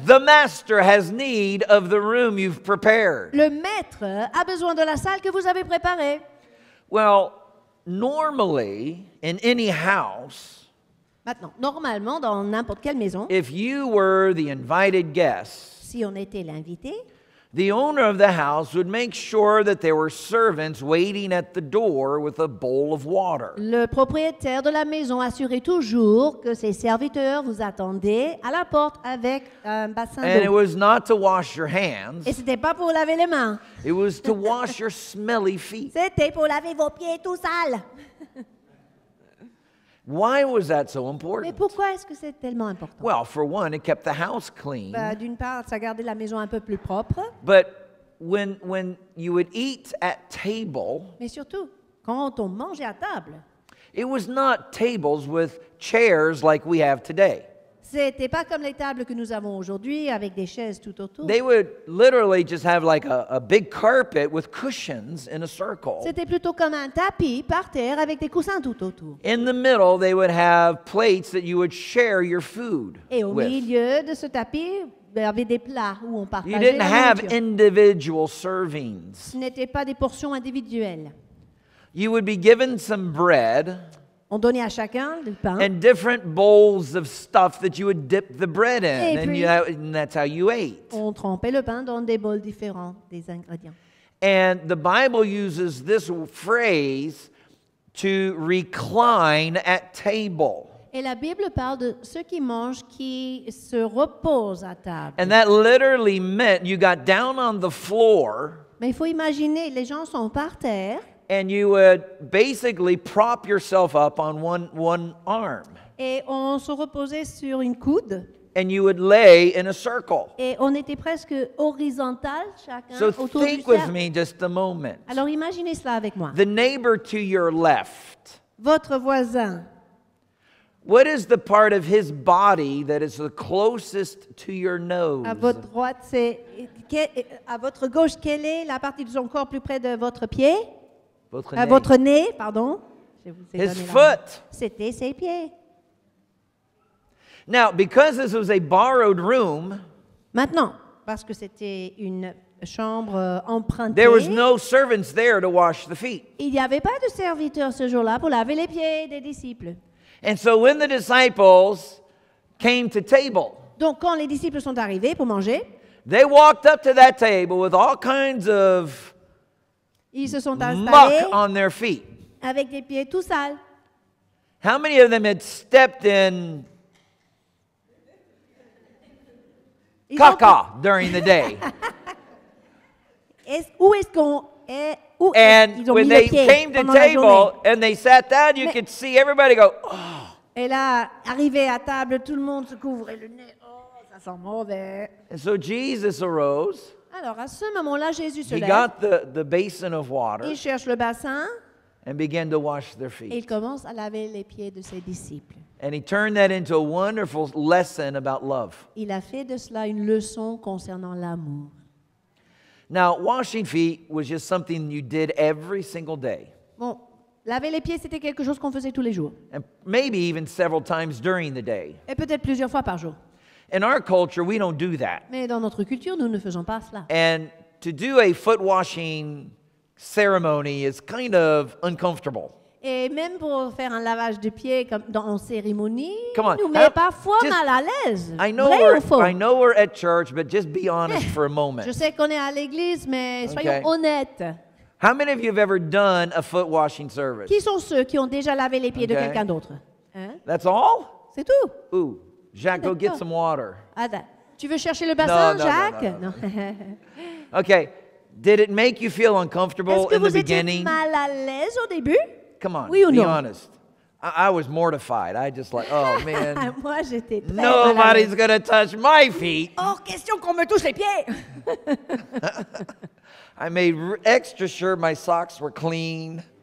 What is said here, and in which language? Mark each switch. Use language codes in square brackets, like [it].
[en] The master has need of the room you've prepared. [fr] Le maître a besoin de la salle que vous avez préparée. [en] Well, normally, in any house, [fr] maintenant, normalement, dans n'importe quelle maison, [en] if you were the invited guest, [fr] si on était l'invité, [en] the owner of the house would make sure that there were servants waiting at the door with a bowl of water. [fr] Le propriétaire de la maison assurait toujours que ses serviteurs vous attendaient à la porte avec un bassin d'eau. [en] And it was not to wash your hands. [fr] Et c'était pas pour laver les mains. [en] It was to wash your smelly feet. [fr] C'était pour laver vos pieds tout sales. [en] Why was that so important? [fr] Mais pourquoi est-ce que c'est tellement important? [en] Well, for one, it kept the house clean. [fr] D'une part, ça gardait la maison un peu plus propre. [en] But when you would eat at table, [fr] mais surtout, quand on mangeait à table, [en] it was not tables with chairs like we have today. [fr] C'était pas comme les tables que nous avons aujourd'hui avec des chaises tout autour. [en] They would literally just have like a big carpet with cushions in a circle. [fr] C'était plutôt comme un tapis par terre avec des coussins tout autour. [en] In the middle, they would have plates that you would share your food. [fr] Et au [en] with. [fr] Milieu de ce tapis, il y avait des plats où on partageait. [en] You didn't have individual servings. [fr] Ce n'était pas des portions individuelles. [en] You would be given some bread. [fr] On donnait à chacun du pain. [en] And different bowls of stuff that you would dip the bread in. [fr] Puis, [en] and that's how you ate. [fr] On trempait le pain dans des bols différents, des ingrédients. [en] And the Bible uses this phrase to recline at table. [fr] Et la Bible parle de ceux qui mangent qui se reposent à table. [en] And that literally meant you got down on the floor. [fr] Mais il faut imaginer, les gens sont par terre. [en] And you would basically prop yourself up on one arm. [fr] Et on se reposait sur une coude. [en] And you would lay in a circle. [fr] Et on était presque horizontal, chacun [en] so [fr] autour [en] think [fr] du [en] with me just a moment. [fr] Alors imaginez cela avec moi. [en] The neighbor to your left. [fr] Votre voisin. [en] What is the part of his body that is the closest to your nose? [fr] À votre droite, à votre gauche, quelle est la partie de son corps plus près de votre pied? Votre nez, pardon. [en] His foot. [fr] C'était ses pieds. [en] Now, because this was a borrowed room. [fr] Maintenant, parce que c'était une chambre empruntée. [en] There was no servants there to wash the feet. [fr] Il n'y avait pas de serviteurs ce jour-là pour laver les pieds des disciples. [en] And so when the disciples came to table. [fr] Donc quand les disciples sont arrivés pour manger. [en] They walked up to that table with all kinds of. [fr] Ils se sont [en] muck on their feet. [fr] Avec des pieds tout sales. [en] How many of them had stepped in caca during the day? And when they came to table and they sat down, you could see everybody go, oh. [fr] Et là, arrivé à table, tout le monde se couvrait le nez. Oh, ça sent mauvais. [en] And so Jesus arose. [fr] Alors, à ce moment-là, Jésus se lève. [en] He got the basin of water. [fr] Il cherche le bassin. [en] And began to wash their feet. [fr] Et il commence à laver les pieds de ses disciples. [en] And he turned that into a wonderful lesson about love. [fr] Il a fait de cela une leçon concernant l'amour. [en] Now, washing feet was just something you did every single day. [fr] Bon, laver les pieds, c'était quelque chose qu'on faisait tous les jours. [en] And maybe even several times during the day. [fr] Et peut-être plusieurs fois par jour. [en] In our culture, we don't do that. [fr] Mais dans notre culture, nous ne faisons pas cela. [en] And to do a foot washing ceremony is kind of uncomfortable. [fr] Et même pour faire un lavage de pieds comme dans une cérémonie, [en] come on, [fr] nous met parfois [en] just, [fr] mal à l'aise. [en] I know [fr] vrai [en] we're, [fr] ou faux? [en] I know we're at church, but just be honest for a moment. [fr] Je sais qu'on est à l'église, mais soyons honnêtes. [en] How many of you have ever done a foot washing service? [fr] Qui sont ceux qui ont déjà lavé les pieds de quelqu'un d'autre? [en] Hein? That's all? [fr] C'est tout. [en] Ooh, Jacques, go get some water. [fr] Attends. Tu veux chercher le bassin, Jacques? [en] No, no, no, no. Okay. Did it make you feel uncomfortable in the beginning? [fr] Est-ce que vous étiez mal à l'aise au début? [en] Come on, [fr] oui ou [en] be [fr] non? [en] Honest. I was mortified. I just like, oh man. [fr] Moi, j'étais très [en] Nobody's gonna touch my feet. [fr] Oh, question qu'on me touche les pieds. [en] I made extra sure my socks were clean.